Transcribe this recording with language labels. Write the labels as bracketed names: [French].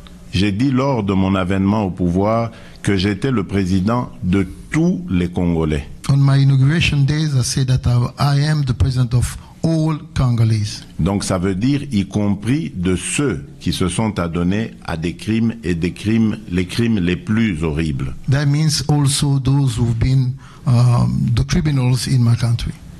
[French] J'ai dit lors de mon avènement au pouvoir que j'étais le président de tous les Congolais. [English] On my inauguration days, I said that I am the president of all Congolese. [French] Donc ça veut dire y compris de ceux qui se sont adonnés à des crimes et des crimes, les crimes les plus horribles. [English] That means also those who've been the criminals in my country.